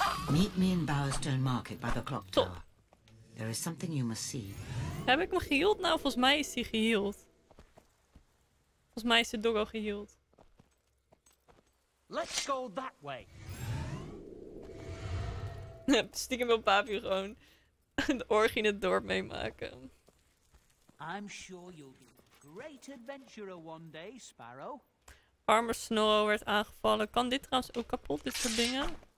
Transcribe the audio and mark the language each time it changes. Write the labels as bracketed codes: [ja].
[en] Meet me in Bowerstone Market by the clock tower. There is something you must see. [nl] Heb ik me geheeld? Nou, volgens mij is hij geheeld. Volgens mij is de doggo geheeld. [en] Let's go that way. [nl] Stiekem wil Papi gewoon de orgie in het dorp meemaken. [en] I'm sure you'll be a great adventurer one day, Sparrow. [nl] Arme Snorro werd aangevallen. Kan dit trouwens ook kapot, dit soort dingen?